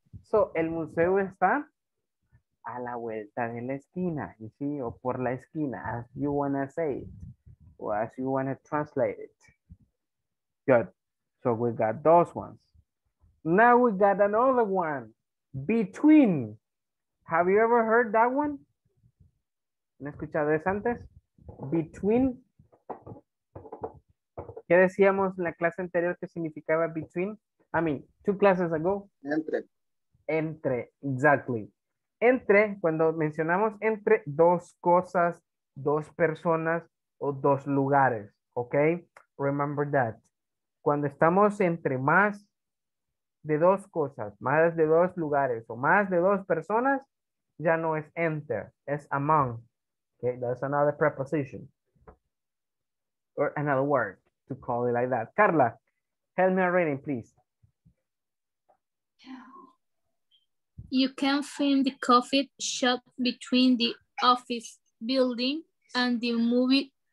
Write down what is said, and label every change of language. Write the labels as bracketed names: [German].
[Spanish] So, el museo está a la vuelta de la esquina. [English] You see, [Spanish] o por la esquina, [English] as you want to say it, or as you want to translate it. Good. So, we got those ones. Now, we got another one. Between. Have you ever heard that one? [Spanish] ¿Han escuchado eso antes? [English] Between. [Spanish] ¿Qué decíamos en la clase anterior que significaba between? [English] I mean, two classes ago. [Spanish] Entre. Entre, exactly. Entre, cuando mencionamos entre dos cosas, dos personas o dos lugares. [English] Ok, remember that. [Spanish] Cuando estamos entre más de dos cosas, más de dos lugares o más de dos personas, ya no es enter, es among. [English] Okay, that's another preposition. Or another word to call it like that. Carla, help me reading, please. You can find the coffee shop between the office building and the movie